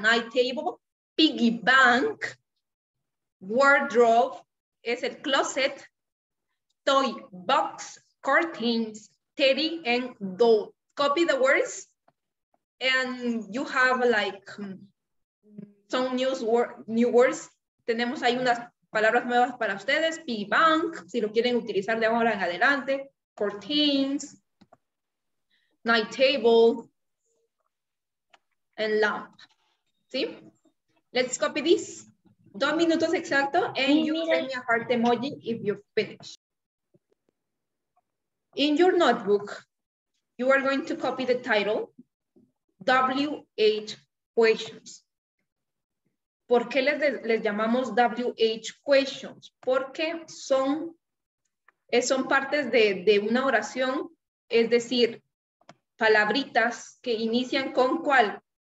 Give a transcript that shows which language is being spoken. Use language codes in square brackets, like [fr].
[en] Night table, piggy bank, wardrobe. [es] Es el closet, [en] toy box, curtains, teddy, and doll. Copy the words, and you have like some new words. [es] Tenemos ahí unas palabras nuevas para ustedes. [en] Piggy bank, [es] si lo quieren utilizar de ahora en adelante. [en] Curtains, night table, and lamp. ¿Sí? Let's copy this. [es] 2 minutos exacto, [en] and you send me a heart emoji if you finish. In your notebook, you are going to copy the title, WH questions. [es] ¿Por qué les llamamos WH questions? Porque son partes de una oración, es decir, palabritas que inician con ¿cuál?